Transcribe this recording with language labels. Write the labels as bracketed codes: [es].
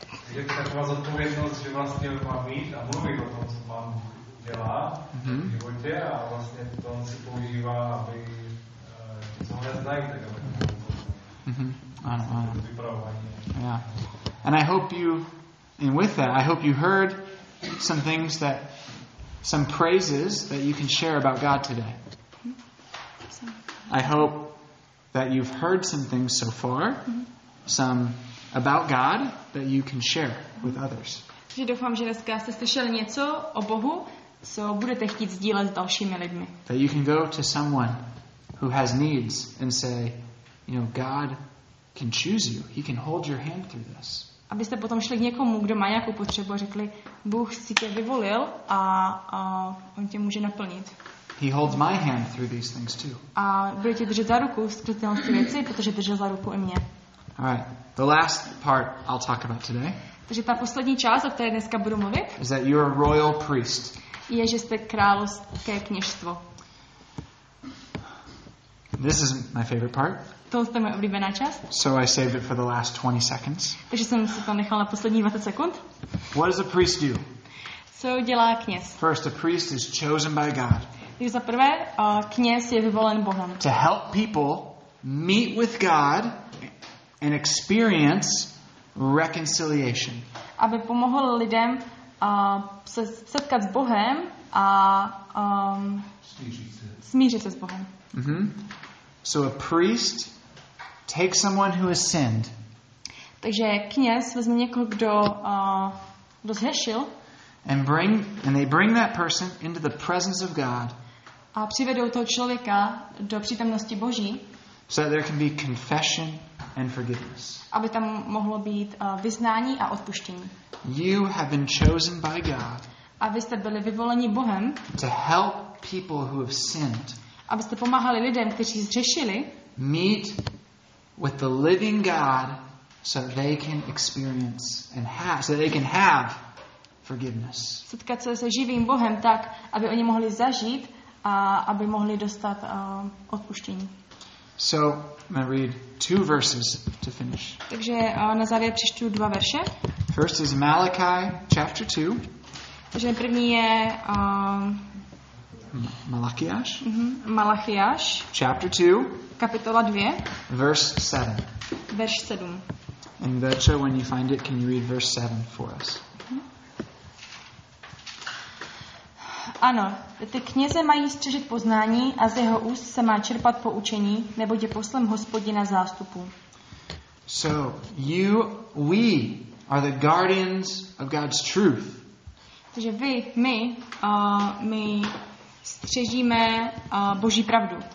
[cs] Je taková zodpovědnost, že vlastně má být a mluvit o tom, co pán dělá v životě a vlastně to on si používá, aby co hned znají, tak aby to [en] and I hope you, and with that, I hope you heard some things that, some praises that you can share about God today. I hope that you've heard some things so far, some about God that you can share with others. [cs] Že doufám, že dneska jste slyšeli něco o Bohu, co budete chtít sdílet s dalšími lidmi. [en] That you can go to someone who has needs and say, you know, God can choose you. He can hold your hand through this. [cs] Abyste potom šli k někomu, kdo má nějakou potřebu, a řekli, Bůh si tě vyvolil a on tě může naplnit. [en] He holds my hand through these things too. [cs] A bude tě držet za ruku skrz tyhle věci, protože držel za ruku i mě. [en] All right. The last part I'll talk about today. [cs] Takže ta poslední část, o které dneska budu mluvit. [en] Is that you're a royal priest. [cs] Je, že jste královské kněžstvo. [en] This is my favorite part. [cs] Tohle je moje oblíbená část. [en] So I saved it for the last 20 seconds. [cs] Takže jsem si to nechal na poslední 20 sekund. [en] What does a priest do? [cs] Co dělá kněz? [en] First, a priest is chosen by God. [cs] Takže za prvé, kněz je vyvolen Bohem. [en] To help people meet with God and experience reconciliation. [cs] Aby pomohl lidem se setkat s Bohem a smířit se s Bohem. Mm-hmm. [en] So a priest takes someone who has sinned. [cs] Takže kněz vezme někoho, kdo kdo zhřešil. [en] And they bring that person into the presence of God. [cs] A přivedou toho člověka do přítomnosti Boží. [en] So that there can be confession and forgiveness. [cs] Aby tam mohlo být vyznání a odpuštění. [en] You have been chosen by God. [cs] A vy jste byli vyvoleni Bohem. [en] To help people who have sinned. [cs] Abyste pomáhali lidem, kteří zhřešili. [en] Meet with the living God so they can experience and have, so they can have forgiveness. [cs] Setkat se se živým Bohem tak, aby oni mohli zažít a aby mohli dostat odpuštění. [en] So, I'm going to read two verses to finish. [cs] Takže na závěr přečtu dva verše. [en] First is Malachi chapter 2. [cs] Takže první je Malachiáš. Mm-hmm. Malachiáš. [en] Chapter 2. [cs] Kapitola 2. [en] Verse 7. [cs] Verš 7. [en] And Becha, when you find it, can you read verse 7 for us? [cs] Ano, ty kněze mají střežit poznání a z jeho úst se má čerpat poučení, neboť je poslem Hospodina zástupu. [en] So, you, we are the guardians of God's truth. [cs] Takže vy, my střežíme Boží pravdu.